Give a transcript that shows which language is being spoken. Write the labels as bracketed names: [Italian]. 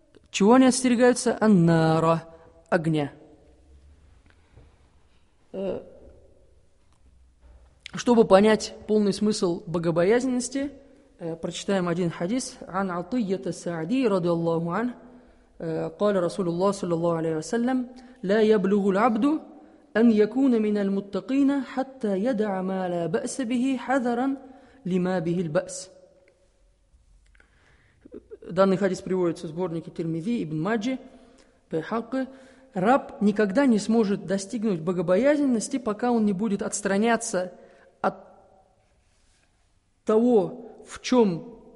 [Russian] Чего они отстерегаются? Аннара, огня. Чтобы понять полный смысл богобоязненности, прочитаем один хадис. [Arabic] عن عطية السعدي رضي الله عنه قال رسول الله صلى الله عليه وسلم لا يبلغ العبد أن يكون من المتقين حتى يدع ما لا بأس به حذرا لما به البأس. [Russian] Данный хадис приводится в сборнике Тирмизи, Ибн Маджи, Байхакы. Раб никогда не сможет достигнуть богобоязненности, пока он не будет отстраняться от того, в чем...